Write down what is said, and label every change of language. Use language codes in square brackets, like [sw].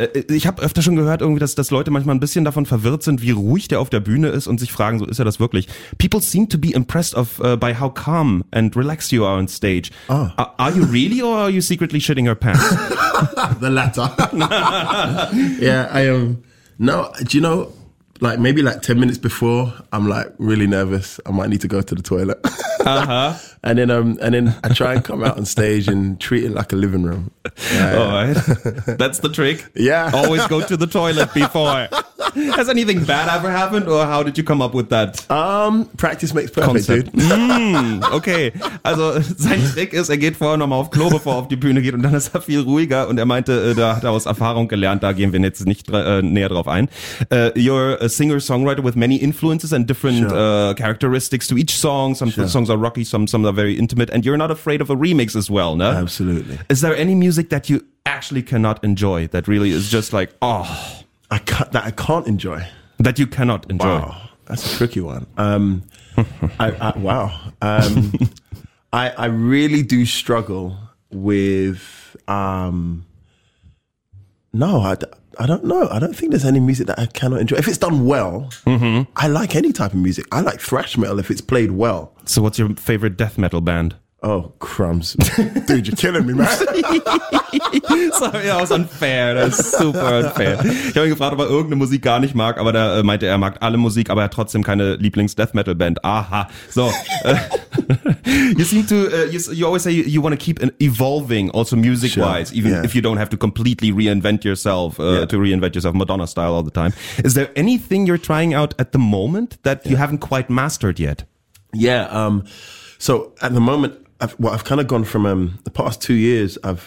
[de] Ich habe öfter schon gehört, irgendwie, dass Leute manchmal ein bisschen davon verwirrt sind, wie ruhig der auf der Bühne ist und sich fragen, so ist er das wirklich? [en] People seem to be impressed of by how calm and relaxed you are on stage. Oh. Are you really or are you secretly shitting your pants? The latter. Yeah, I am. No, do you know, like maybe like 10 minutes before, I'm like really nervous. I might need to go to the toilet. Uh-huh. And then I try and come out on stage and treat it like a living room. Yeah. All right. That's the trick. Yeah. Always go to the toilet before. Has anything bad ever happened or how did you come up with that? Practice makes perfect, concept. Dude. Okay. [de] Also sein Trick ist, er geht vorher nochmal auf Klo, bevor er auf die Bühne geht und dann ist er viel ruhiger und er meinte, da hat er aus Erfahrung gelernt, da gehen wir jetzt nicht näher drauf ein. [en] You're a singer-songwriter with many influences and different sure. Characteristics to each song. Some songs are rocky, some are very intimate and you're not afraid of a remix as well, no? Absolutely. Is there any music that you actually cannot enjoy that really is just like, oh... I can't enjoy. That you cannot enjoy. Wow, that's a tricky one. I really do struggle with, I don't know. I don't think there's any music that I cannot enjoy. If it's done well, mm-hmm. I like any type of music. I like thrash metal if it's played well. So what's your favorite death metal band? Oh, crumbs. Dude, you're killing me, man. Sorry, that was unfair. That was super unfair. [de] Ich habe ihn gefragt, ob er irgendeine Musik gar nicht mag, aber da meinte er, er mag alle Musik, aber er hat trotzdem keine Lieblings-Death-Metal-Band. Aha. So. [en] You always say you want to keep evolving, also music-wise, sure. even if you don't have to completely reinvent yourself, to reinvent yourself Madonna-style all the time. Is there anything you're trying out at the moment that you haven't quite mastered yet? Yeah, so at the moment, I've kind of gone from the past 2 years.